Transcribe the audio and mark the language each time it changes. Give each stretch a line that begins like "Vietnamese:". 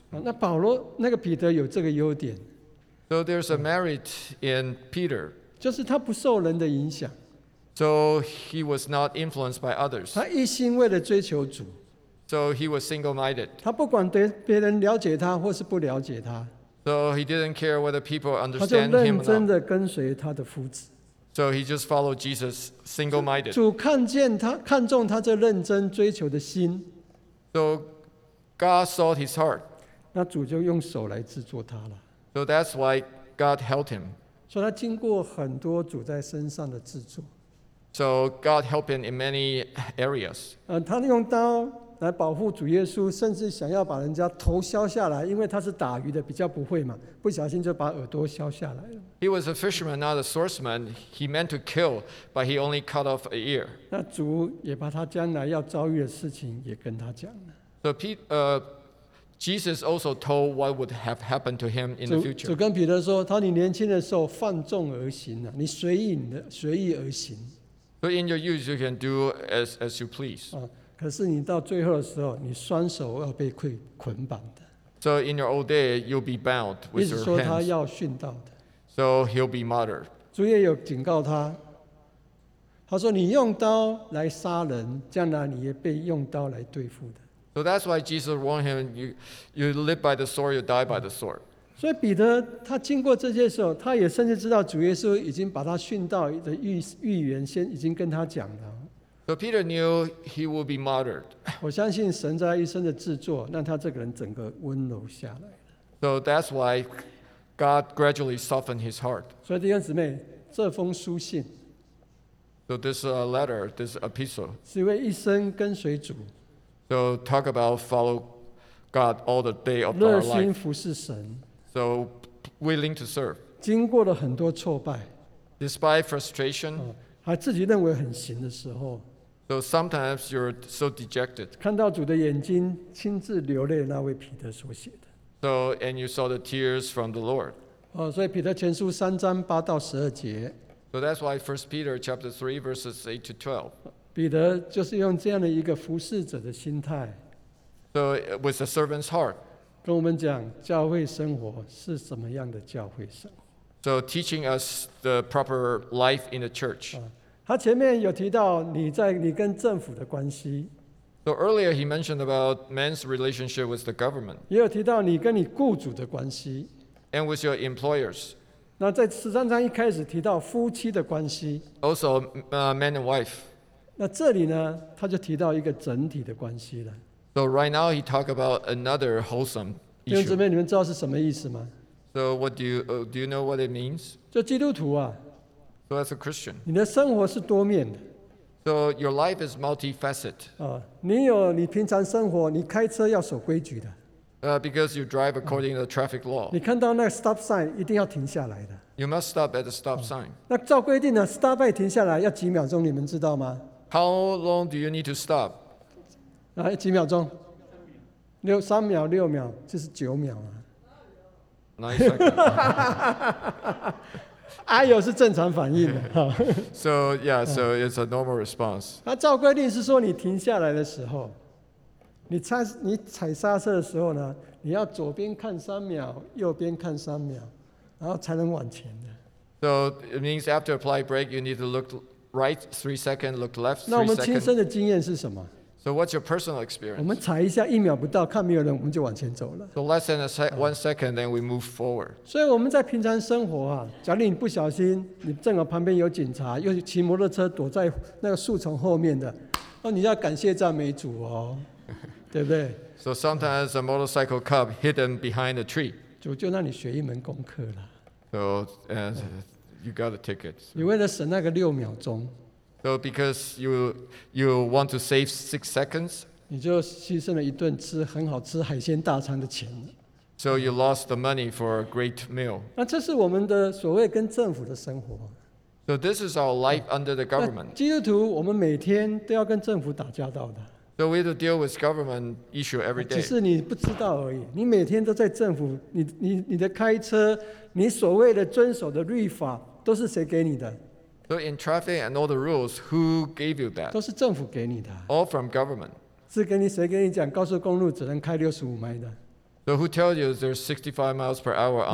Chinese: 那保罗那个彼得有这个优点。
English: So there's a merit in Peter.
Chinese: 就是他不受人的影响。
English: So he was not influenced by others.
Chinese: 他一心为了追求主。
English: So he was single-minded.
Chinese: 他不管对别人了解他或是不了解他。
English: So he didn't care whether people understand him or not.
Chinese: 他就认真地跟随他的夫子。
English: So he just followed Jesus single-minded.
Chinese: 主看见他，看中他这认真追求的心。
English: So God saw his heart.
Chinese: 那主就用手来制作他了。
English: So that's why God helped him.
Chinese: 所以他经过很多主在身上的制作。
English: So God helped him in many areas.
Chinese: 他用刀来保护主耶稣，甚至想要把人家头削下来，因为他是打鱼的，比较不会嘛，不小心就把耳朵削下来了。
English: He was a fisherman, not a swordsman. He meant to kill, but he only cut off an ear.
Chinese: 那主也把他将来要遭遇的事情也跟他讲了。
English: So Jesus also told what would have happened to him in the future.
Chinese: 主跟彼得说，他你年轻的时候放纵而行啊，你随意而行。
English: So in your youth, you can do as you please.
Chinese: 可是你到最后的时候，你双手要被捆绑的。
English: So in your old day, you'll be bound with your hands.
Chinese: 意思说他要殉道的。
English: So he'll be martyred.
Chinese: 主也有警告他，他说你用刀来杀人，将来你也被用刀来对付的。
English: So that's why Jesus warned him, you live by the sword, you die by the sword.
Chinese: 所以彼得他经过这些时候，他也甚至知道主耶稣已经把他殉道的预言先已经跟他讲了。
English: So Peter knew he would be martyred.
Chinese: 我相信神在一生的制作，让他这个人整个温柔下来。
English: So that's why God gradually softened his heart.
Chinese: 所以弟兄姊妹，这封书信。
English: So this letter, this epistle.
Chinese: 是为一生跟随主。
English: So talk about follow God all the day of our life.
Chinese: 热心服侍神。
English: So willing to serve.
Chinese: 经过了很多挫败。
English: Despite frustration.
Chinese: 还自己认为很行的时候。
English: So sometimes you're so dejected.
Chinese: 看到主的眼睛亲自流泪那位彼得所写的。
English: So and you saw the tears from the Lord.
Chinese: 所以彼得前书三章八到十二节。
English: So that's why 1 Peter chapter 3 verses 8 to 12.
Chinese: 彼得就是用这样的一个服侍者的心态。
English: So with a servant's heart.
Chinese: 跟我们讲教会生活是什么样的教会生活。
English: So teaching us the proper life in the church.
Chinese: 他前面有提到你跟政府的关系。
English: So earlier he mentioned about man's relationship with the government.
Chinese: 也有提到你跟你雇主的关系。
English: And with your employers.
Chinese: 那在十三章一开始提到夫妻的关系。
English: Also, man and wife.
Chinese: 那这里呢，他就提到一个整体的关系了。
English: So right now he talked about another wholesome issue.
Chinese: 弟兄姊妹，你们知道是什么意思吗？
English: So what do you know what it means?
Chinese: 就基督徒啊。
English: So as a Christian.
Chinese: 你的生活是多面的。
English: So your life is multifaceted.
Chinese: 你有你平常生活，你开车要守规矩的。
English: Because you drive according to the traffic law.
Chinese: 你看到那个 stop sign 一定要停下来的。
English: You must stop at the stop sign.
Chinese: 那照规定呢 ，stop 停下来要几秒钟，你们知道吗
English: ？How long do you need to stop？
Chinese: 几秒钟？三秒、六秒，就是九秒啊。
English: 9 seconds.
Chinese: 哎呦，是正常反应的。
English: So yeah, so it's a normal response.
Chinese: 那照规定是说，你停下来的时候，你踩刹车的时候呢，你要左边看三秒，右边看三秒，然后才能往前的。
English: So it means after apply brake, you need to look right 3 seconds, look left 3 seconds.
Chinese: 那我们亲身的经验是什么
English: ？So what's your personal experience?
Chinese: 我们踩一下，一秒不到，看没有人，我们就往前走了。
English: So less than one second, then we move forward.
Chinese: 所以我们在平常生活啊，假如你不小心，你正好旁边有警察，又骑摩托车躲在那个树丛后面的，你要感谢赞美主哦。对不对
English: ？So sometimes a motorcycle cop hidden behind a tree.
Chinese: 主就让你学一门功课了。
English: So and you got a ticket.
Chinese: 你为了省那个六秒钟。
English: So because you want to save 6 seconds.
Chinese: 你就牺牲了一顿吃很好吃海鲜大餐的钱。
English: So you lost the money for a great meal.
Chinese: 那这是我们的所谓跟政府的生活。
English: So this is our life under the government.
Chinese: 基督徒我们每天都要跟政府打交道的。
English: So we have to deal with government issue every day.
Chinese: 只是你不知道而已。你每天都在政府，你的开车，你所谓的遵守的律法，都是谁给你的
English: ？So in traffic and all the rules, who gave you that?
Chinese: 都是政府给你的。
English: All from government.
Chinese: 是给你谁给你讲高速公路只能开65迈的
English: ？So who tells you there's 65 miles per hour on freeway?